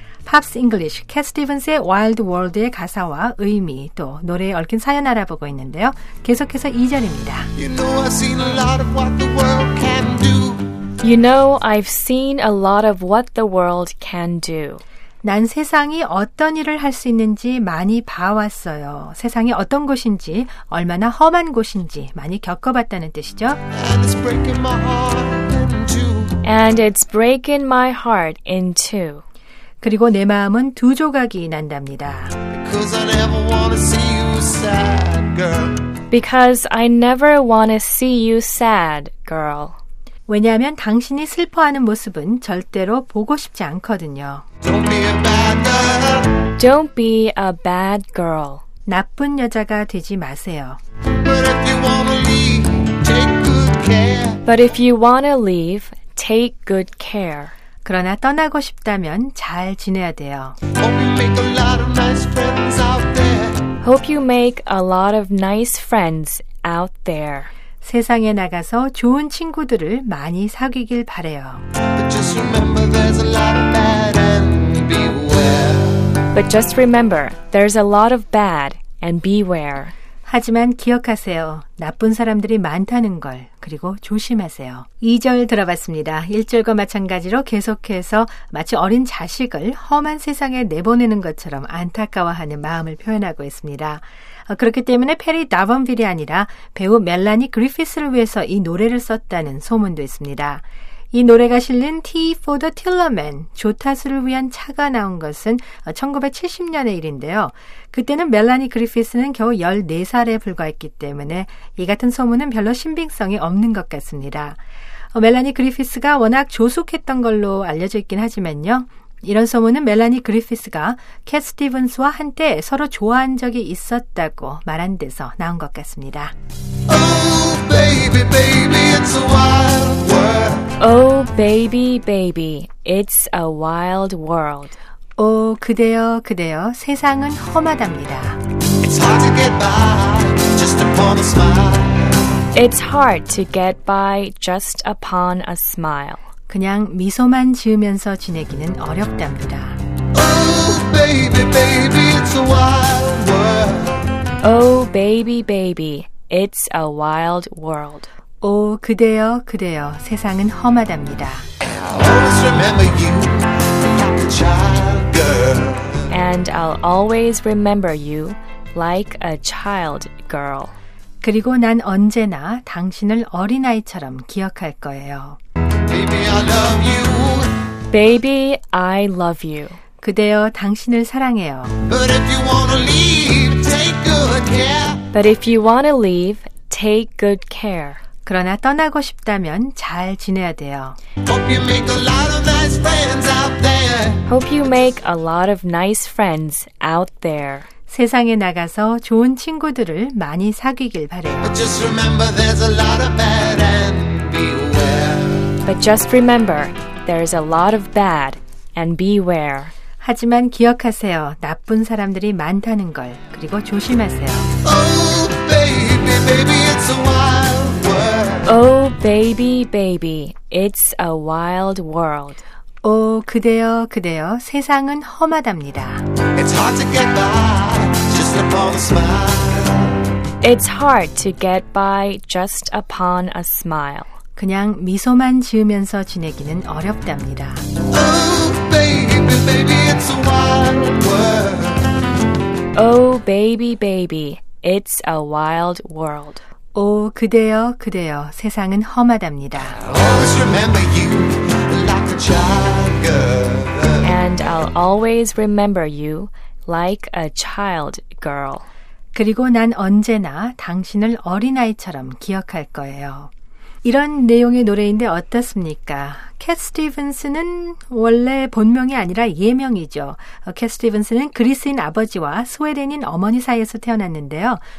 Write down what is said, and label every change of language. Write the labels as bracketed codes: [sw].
[ko] Pops English, 캣 스티븐스의 Wild World의 가사와 의미, 또 노래에 얽힌 사연 알아보고 있는데요. 계속해서 2절입니다. [en] You know I've seen a lot of what the world can do. You know I've seen a lot of what the world can do. [ko] 난 세상이 어떤 일을 할 수 있는지 많이 봐왔어요. 세상이 어떤 곳인지, 얼마나 험한 곳인지 많이 겪어봤다는 뜻이죠. [en] And it's breaking my heart in two. And it's breaking my heart in two. [ko] 그리고 내 마음은 두 조각이 난답니다. [en] Because I never wanna see you sad, girl. Because I never wanna see you sad, girl. [ko] 왜냐하면 당신이 슬퍼하는 모습은 절대로 보고 싶지 않거든요. [en] Don't be a bad girl. Don't be a bad girl. [ko] 나쁜 여자가 되지 마세요. [en] But if you wanna leave, take good care. But if you wanna leave, take good care. [ko] 그러나 떠나고 싶다면 잘 지내야 돼요. [en] Hope you make a lot of nice friends out there. Hope you make a lot of nice friends out there. [ko] 세상에 나가서 좋은 친구들을 많이 사귀길 바래요. [en] But just remember there's a lot of bad and beware. But just remember there's a lot of bad and beware. [ko] 하지만 기억하세요. 나쁜 사람들이 많다는 걸. 그리고 조심하세요. 2절 들어봤습니다. 1절과 마찬가지로 계속해서 마치 어린 자식을 험한 세상에 내보내는 것처럼 안타까워하는 마음을 표현하고 있습니다. 그렇기 때문에 페리 다븐빌이 아니라 배우 멜라니 그리피스를 위해서 이 노래를 썼다는 소문도 있습니다. 이 노래가 실린 Tea for the Tillerman, 조타수를 위한 차가 나온 것은 1970년의 일인데요. 그때는 멜라니 그리피스는 겨우 14살에 불과했기 때문에 이 같은 소문은 별로 신빙성이 없는 것 같습니다. 멜라니 그리피스가 워낙 조숙했던 걸로 알려져 있긴 하지만요. 이런 소문은 멜라니 그리피스가 캣 스티븐스와 한때 서로 좋아한 적이 있었다고 말한 데서 나온 것 같습니다. [en] Oh, baby, baby, it's a wild world. Oh, baby, baby, it's a wild world. [ko] Oh, 그대여, 그대여, 세상은 험하답니다. [en] It's hard to get by just upon a smile. It's hard to get by just upon a smile. [ko] 그냥 미소만 지으면서 지내기는 어렵답니다. [en] Oh, baby, baby, it's a wild world. Oh, baby, baby, it's a wild world. [ko] 오, 그대여, 그대여, 세상은 험하답니다. [en] Always remember you like a child girl. And I'll always remember you like a child girl. [ko] 그리고 난 언제나 당신을 어린아이처럼 기억할 거예요. [en] Baby, I love you. Baby, I love you. [ko] 그대여, 당신을 사랑해요. [en] But if you wanna leave, take good care. But if you wanna leave, take good care. [ko] 그러나 떠나고 싶다면 잘 지내야 돼요. [en] Hope you make a lot of nice friends out there. Hope you make a lot of nice friends out there. [ko] 세상에 나가서 좋은 친구들을 많이 사귀길 바래요. [en] But just remember there's a lot of bad and beware. But just remember there's a lot of bad and beware. [ko] 하지만 기억하세요. 나쁜 사람들이 많다는 걸. 그리고 조심하세요. [en] Oh baby, baby it's a while. Oh, baby, baby, it's a wild world. [ko] Oh, 그대여, 그대여, 세상은 험하답니다. [en] It's hard to get by just upon a smile. It's hard to get by just upon a smile. [ko] 그냥 미소만 지으면서 지내기는 어렵답니다. [en] Oh, baby, baby, it's a wild world. Oh, baby, baby, it's a wild world. [ko] 오, 그대여, 그대여, 세상은 험하답니다. [en] Always remember you like a child girl. And I'll always remember you like a child girl. [ko] 그리고 난 언제나 당신을 어린아이처럼 기억할 거예요. 이런 내용의 노래인데 어떻습니까? 캣 스티븐스는 원래 본명이 아니라 예명이죠. 캣 스티븐스는 그리스인 아버지와 스웨덴인 어머니 사이에서 태어났는데요.